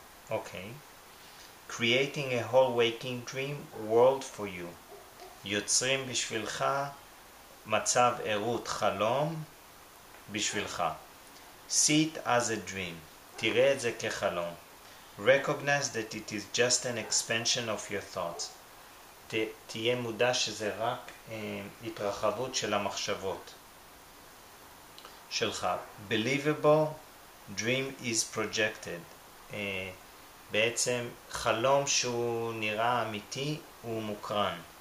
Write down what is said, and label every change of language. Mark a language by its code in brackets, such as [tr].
[en] okay creating a whole waking dream world for you [he] יוצרים בשבילך מצב ערות חלום בשבילך [en] See it as a dream. [he] תראה את זה כחלום. [en] Recognize that it is just an expansion of your thoughts. [he] תהיה מודע שזה רק התרחבות של המחשבות שלך. [en] Believable dream is projected. [he] בעצם חלום שהוא נראה אמיתי הוא מוקרן.